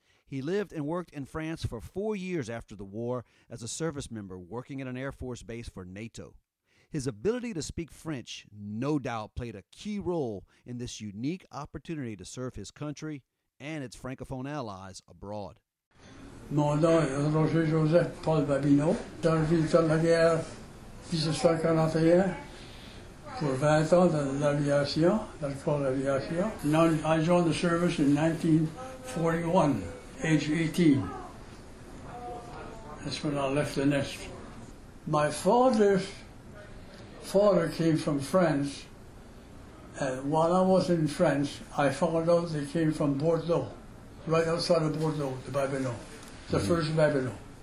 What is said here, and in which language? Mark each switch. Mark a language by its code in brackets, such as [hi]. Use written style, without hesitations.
[en] He lived and worked in France for 4 years after the war as a service member working at an Air Force base for NATO. His ability to speak French no doubt played a key role in this unique opportunity to serve his country and its francophone allies abroad. [fr] Mon nom est Roger Joseph Paul Babineau. J'ai vécu dans la guerre 1941 pour 20 ans dans l'aviation, dans le corps d'aviation. [en] I joined the service in 1941. age 18. That's when I left the nest. My father's father came from France. While I was in France, I found out they came from Bordeaux, right outside of Bordeaux, the Babineaux, the first Babineaux.